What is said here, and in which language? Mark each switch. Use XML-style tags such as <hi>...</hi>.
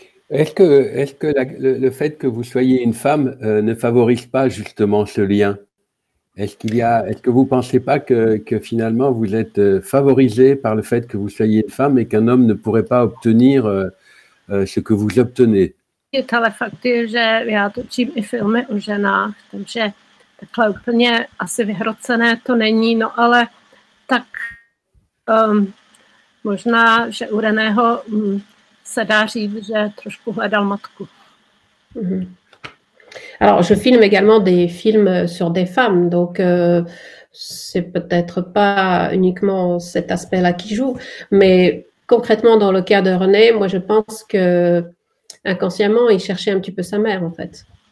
<fr>Est-ce que le fait que vous soyez une femme ne favorise pas justement ce lien? Est-ce que vous ne pensez pas que finalement vous êtes favorisée par le fait que vous soyez une femme et qu'un homme ne pourrait pas obtenir ce que vous obtenez?</fr> <cs>Tohle fakt je, že já točím i filmy o ženách, takže takhle úplně asi vyhrocené to není, no ale tak možná, že u Reného se dá říct, že trošku hledal matku. Mm-hmm.</cs> <fr>Alors, je filme également des films sur des femmes, donc c'est peut-être pas uniquement cet aspect-là qui joue, mais concrètement, dans le cas de René, moi, je pense que inconsciemment, il cherchait un petit peu sa mère, en fait.</fr>